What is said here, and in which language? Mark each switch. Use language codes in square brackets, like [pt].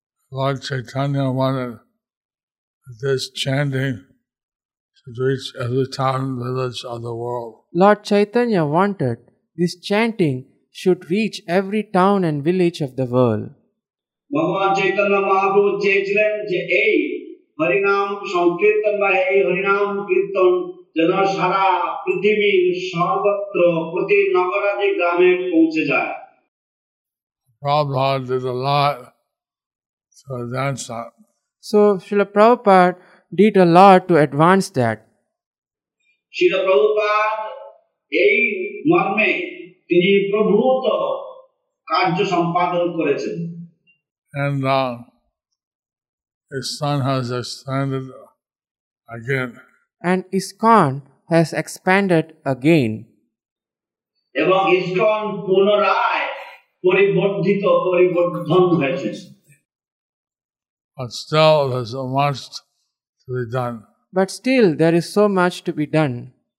[en] Lord Chaitanya wanted this chanting to reach every town and village of the world. Lord Chaitanya wanted this chanting should reach every town and village of the world. [bn] ভগবান চৈতন্য মহাপ্রভু চেয়েছিলেন যে এই হরিনাম সংকীর্তন বা এই হরিনাম কীর্তন যেন সারা পৃথিবীর সর্বত্র প্রতি নগরাদি গ্রামে পৌঁছে যায়। [en] Prabhupada did a lot to advance that. So Srila Prabhupada did a lot to advance that. [bn] Srila Prabhupada এই মর্মে তিনি প্রভূত কার্য সম্পাদন করেছেন। [en] And ISKCON has expanded again. And ISKCON has expanded again. [bn] এবং ISKCON পুনরায় পরিবর্ধিত পরিবর্ধন হয়েছে। [en] But still, there's much to be done. But still, there is so much to be done.